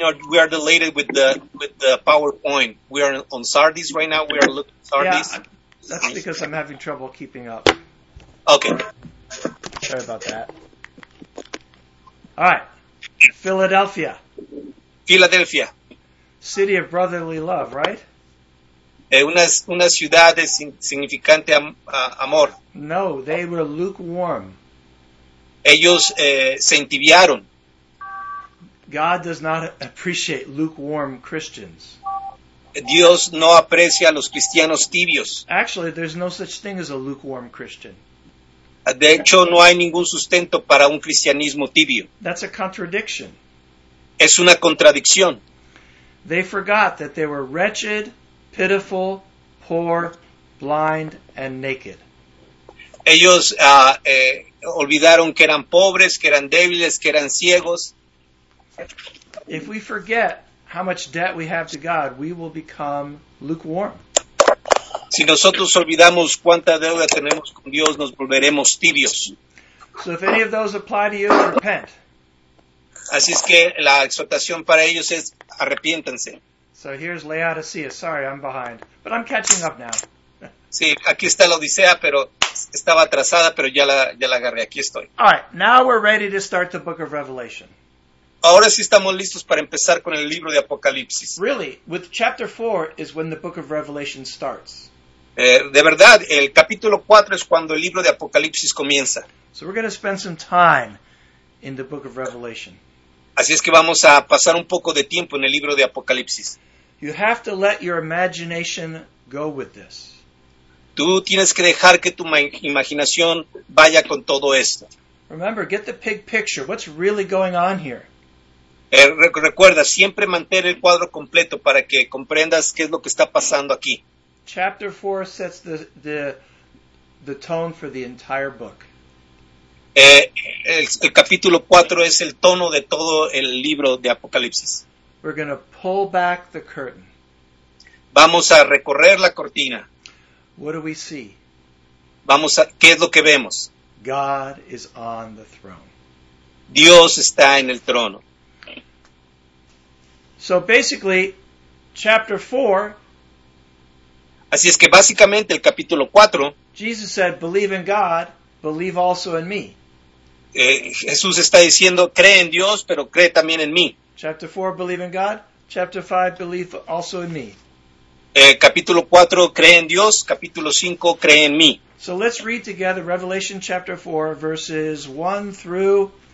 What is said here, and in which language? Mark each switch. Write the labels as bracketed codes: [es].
[en] We are delayed with the PowerPoint. We are on Sardis right now. We are looking at Sardis. Yeah, that's because I'm having trouble keeping up. Okay. Sorry about that. All right. Philadelphia. Philadelphia. City of brotherly love, right? [es] Una ciudad de significante amor. [en] No, they were lukewarm. [es] Ellos se entibiaron. [en] God does not appreciate lukewarm Christians. [es] Dios no aprecia a los cristianos tibios. [en] Actually, there's no such thing as a lukewarm Christian. [es] De hecho, no hay ningún sustento para un cristianismo tibio. [en] That's a contradiction. [es] Es una contradicción. [en] They forgot that they were wretched, pitiful, poor, blind, and naked. [es] Ellos olvidaron que eran pobres, que eran débiles, que eran ciegos. [en] If we forget how much debt we have to God, we will become lukewarm. [es] Si nosotros olvidamos cuánta deuda tenemos con Dios, nos volveremos tibios. [en] So if any of those apply to you, repent. [es] Así es que la exhortación para ellos es arrepiéntanse. [en] So here's Laodicea. Sorry, I'm behind, but I'm catching up now. [es] Sí, aquí está la Odisea, pero estaba atrasada, pero ya la agarré. Aquí estoy. [en] All right, now we're ready to start the book of Revelation. [es] Ahora sí estamos listos para empezar con el libro de Apocalipsis. [en] Really, with chapter 4 is when the book of Revelation starts. [es] De verdad, el capítulo 4 es cuando el libro de Apocalipsis comienza. [en] So we're going to spend some time in the book of Revelation. [es] Así es que vamos a pasar un poco de tiempo en el libro de Apocalipsis. [en] You have to let your imagination go with this. [es] Tú tienes que dejar que tu imaginación vaya con todo esto. [en] Remember, get the big picture. What's really going on here? [es] Recuerda, siempre mantener el cuadro completo para que comprendas qué es lo que está pasando aquí. [en] Chapter 4 sets the tone for the entire book. [es] El capítulo 4 es el tono de todo el libro de Apocalipsis. [en] We're going to pull back the curtain. [es] Vamos a recorrer la cortina. [en] What do we see? [es] ¿Qué es lo que vemos? [en] God is on the throne. [es] Dios está en el trono. [en] So basically, chapter 4. [es] Así es que básicamente el capítulo 4. [en] Jesus said, believe in God, believe also in me. [es] Jesús está diciendo, cree en Dios, pero cree también en mí. [en] Chapter 4, believe in God. Chapter 5, believe also in me. [es] Capítulo 4, cree en Dios. Capítulo 5, cree en mí. [en] So let's read together Revelation chapter 4, verses 1 through